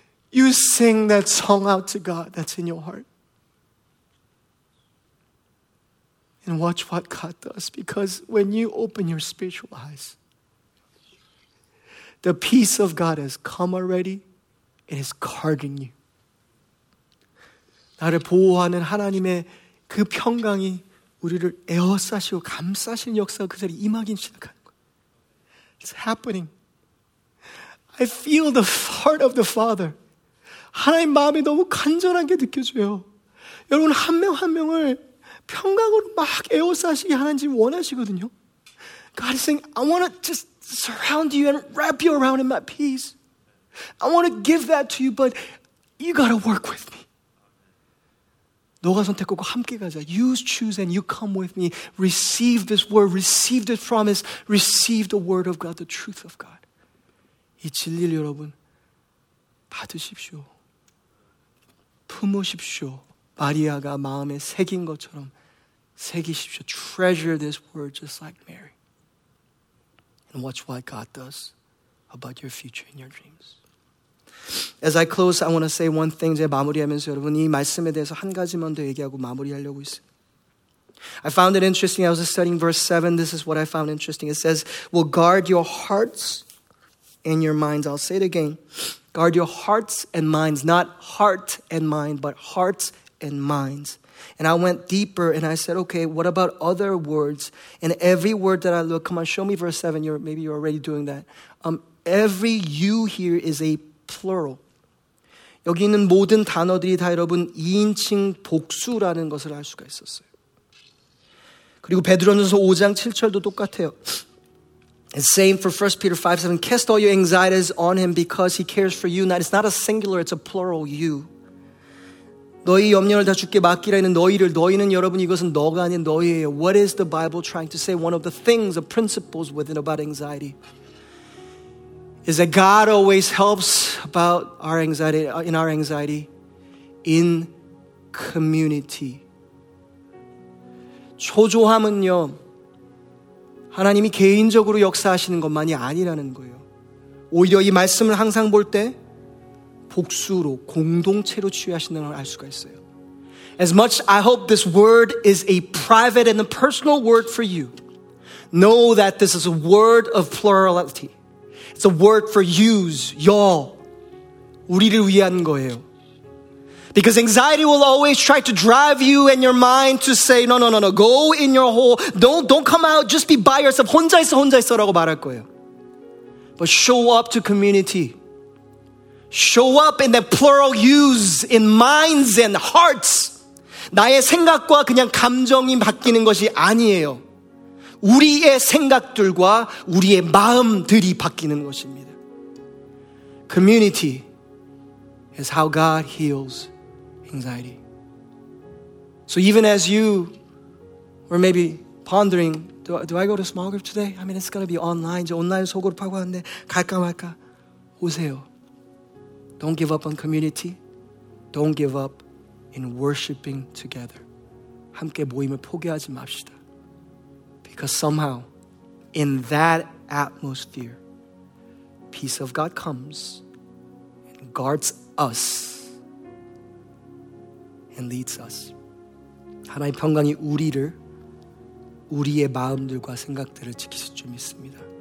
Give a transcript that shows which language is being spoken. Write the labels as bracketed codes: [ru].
[en] You sing that song out to God that's in your heart. And watch what God does. Because when you open your spiritual eyes, the peace of God has come already and is guarding you. [ko] 나를 보호하는 하나님의 그 평강이 우리를 에워싸시고 감싸시는 역사가 그 자리에 임하기 시작하는 거예요. [en] It's happening. I feel the heart of the Father. [ko] 하나님 마음이 너무 간절한 게 느껴져요. 여러분 한 명 한 명을 평강으로 막 에워싸시게 하나님 원하시거든요. [en] God is saying, I want to just surround you and wrap you around in my peace. I want to give that to you, but you got to work with me. [ko] 너가 선택하고 함께 가자. [en] You choose and you come with me. Receive this word, receive this promise, receive the word of God, the truth of God. [ko] 이 진리를 여러분 받으십시오. 품으십시오. 마리아가 마음에 새긴 것처럼 새기십시오. [en] Treasure this word just like Mary. And watch what God does about your future and your dreams. As I close, I want to say one thing. [ko] 제가 마무리하면서 여러분 이 말씀에 대해서 한 가지만 더 얘기하고 마무리하려고 있습니다. [en] I found it interesting. I was studying verse 7. This is what I found interesting. It says, "Will guard your hearts and your minds." I'll say it again. Guard your hearts and minds, not heart and mind, but hearts and minds. And I went deeper and I said, okay, what about other words? And every word that I look, come on, show me verse 7. Maybe you're already doing that. Every you here is a plural. [ko] 여기 있는 모든 단어들이 다 여러분 2인칭 복수라는 것을 알 수가 있었어요. 그리고 베드로전서 5장 7절도 똑같아요. [en] And same for 1 Peter 5, 7. Cast all your anxieties on him because he cares for you. Now, it's not a singular, it's a plural you. [ko] 너희 염려를 다 줄게 맡기라 했는 너희를, 너희는 여러분 이것은 너가 아닌 너희예요. [en] What is the Bible trying to say? One of the things, the principles within about anxiety is that God always helps about our anxiety, in our anxiety, in community. [ko] 초조함은요. 하나님이 개인적으로 역사하시는 것만이 아니라는 거예요. 오히려 이 말씀을 항상 볼 때 복수로, 공동체로 취하신다는 걸 알 수가 있어요. [en] As much I hope this word is a private and a personal word for you, know that this is a word of plurality. It's a word for yous, y'all. [ko] 우리를 위한 거예요. [en] Because anxiety will always try to drive you and your mind to say, no, no, no, no, go in your hole. Don't come out. Just be by yourself. [ko] 혼자 있어, 혼자 있어라고 말할 거예요. [en] But show up to community. Show up in the plural yous, in minds and hearts. [ko] 나의 생각과 그냥 감정이 바뀌는 것이 아니에요. 우리의 생각들과 우리의 마음들이 바뀌는 것입니다. [en] Community is how God heals anxiety. So even as you were maybe pondering, do I go to small group today? I mean, it's going to be online. [ko] 이제 온라인 소그룹 하고 왔는데 갈까 말까? 오세요. [en] Don't give up on community. Don't give up in worshiping together. [ko] 함께 모임을 포기하지 맙시다. [en] Because somehow in that atmosphere, peace of God comes and guards us and leads us. [ko] 하나님의 평강이 우리를 우리의 마음들과 생각들을 지키실 줄 믿습니다.